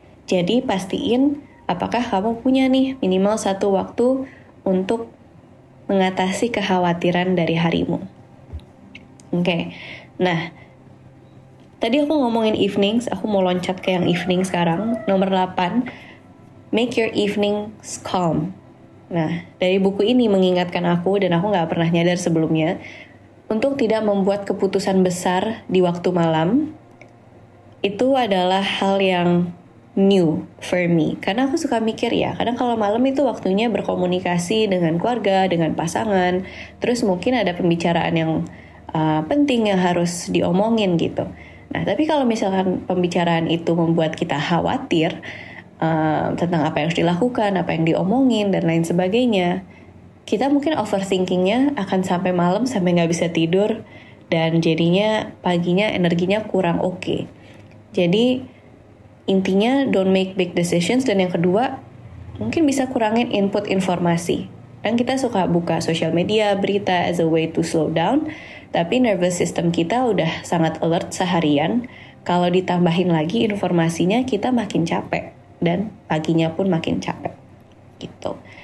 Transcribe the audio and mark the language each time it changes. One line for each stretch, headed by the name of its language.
Indonesian: Jadi pastiin apakah kamu punya nih minimal satu waktu untuk mengatasi kekhawatiran dari harimu. Oke, nah tadi aku ngomongin evenings, aku mau loncat ke yang evening sekarang. Nomor 8,
English: make your evenings calm.
Indonesian: Nah, dari buku ini mengingatkan aku, dan aku gak pernah nyadar sebelumnya, untuk tidak membuat keputusan besar di waktu malam, itu adalah hal yang
English: new for me.
Indonesian: Karena aku suka mikir ya, kadang kalau malam itu waktunya berkomunikasi dengan keluarga, dengan pasangan, terus mungkin ada pembicaraan yang penting yang harus diomongin gitu. Nah, tapi kalau misalkan pembicaraan itu membuat kita khawatir tentang apa yang harus dilakukan, apa yang diomongin, dan lain sebagainya, kita mungkin overthinkingnya akan sampai malam sampai gak bisa tidur, dan jadinya paginya energinya kurang oke. Jadi intinya,
English: don't make big decisions.
Indonesian: Dan yang kedua, mungkin bisa kurangin input informasi. Dan kita suka buka social media, berita
English: as a way to slow down.
Indonesian: Tapi nervous system kita udah sangat alert seharian. Kalau ditambahin lagi informasinya, kita makin capek dan paginya pun makin capek. Gitu.